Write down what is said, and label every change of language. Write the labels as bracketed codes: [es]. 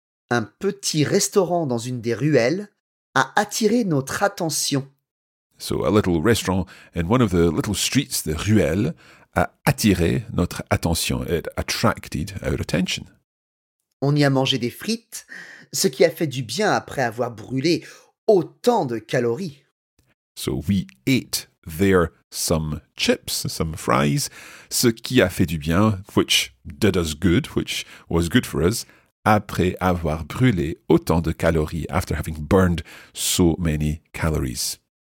[fr] Un petit restaurant dans une des ruelles a attiré notre attention. [en] So, a little restaurant in one of the little streets, the ruelles, [fr] a attiré notre attention. [en] It attracted our attention. [fr] On y a mangé des frites, ce qui a fait du bien après avoir brûlé autant de calories. [en] So we ate there some chips, some fries, [fr] ce qui a fait du bien, [en] which did us good, which was good for us, [fr] après avoir brûlé autant de calories, [en] after having burned so many calories.